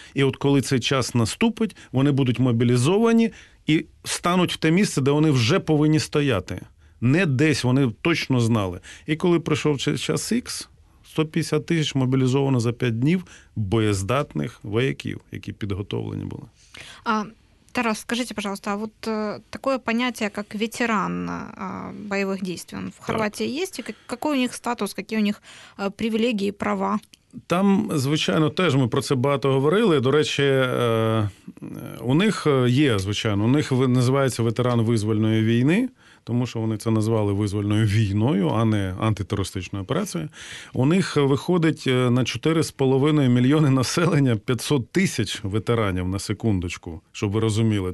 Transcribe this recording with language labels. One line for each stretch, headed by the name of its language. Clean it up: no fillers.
Ukrainian: І от коли цей час наступить, вони будуть мобілізовані і стануть в те місце, де вони вже повинні стояти. Не десь, вони точно знали. І коли прийшов час ікс, 150 тисяч мобілізовано за 5 днів боєздатних вояків, які підготовлені були.
Russian: А Тарас, скажіть, пожалуйста, а вот такое понятие, как ветеран боевых действий, он в Хорватии так. Есть? И какой у них статус, какие у них привилегии, права?
Ukrainian: Там, звичайно, теж ми про це багато говорили. До речі, у них є, звичайно, у них називається ветеран визвольної війни, тому що вони це назвали визвольною війною, а не антитерористичною операцією. У них виходить на 4,5 мільйони населення 500 тисяч ветеранів, на секундочку, щоб ви розуміли.